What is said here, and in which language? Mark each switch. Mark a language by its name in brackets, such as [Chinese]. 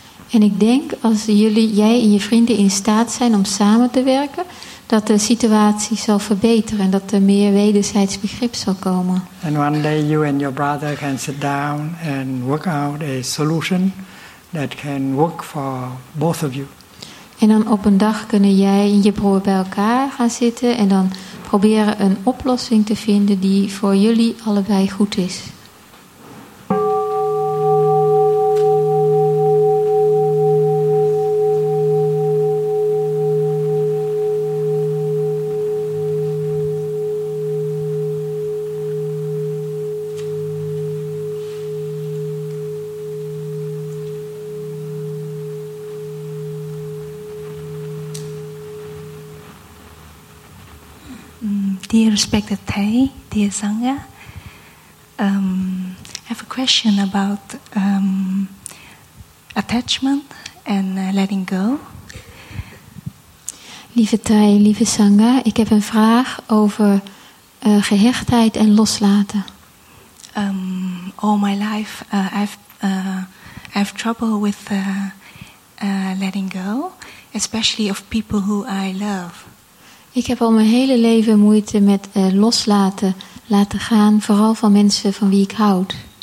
[Dutch] En ik denk als jij en je vrienden in staat zijn om samen te werken, dat de situatie zal verbeteren en dat er meer wederzijds begrip zal komen. [English] And one day you and your brother can sit down and work out a solution that can work for both of you. [Dutch] En dan op een dag kunnen jij en je broer bij elkaar gaan zitten en dan proberen een oplossing te vinden die voor jullie allebei goed is. [English] Respected Thay, dear Sangha, I have a question about attachment and letting go. [Dutch] Lieve Thay, lieve Sangha, ik heb een vraag over gehechtheid en loslaten. [English] All my life, I have trouble with letting go, especially of people who I love. [Dutch] Ik heb al mijn hele leven moeite met loslaten, laten gaan, vooral van mensen van wie ik houd.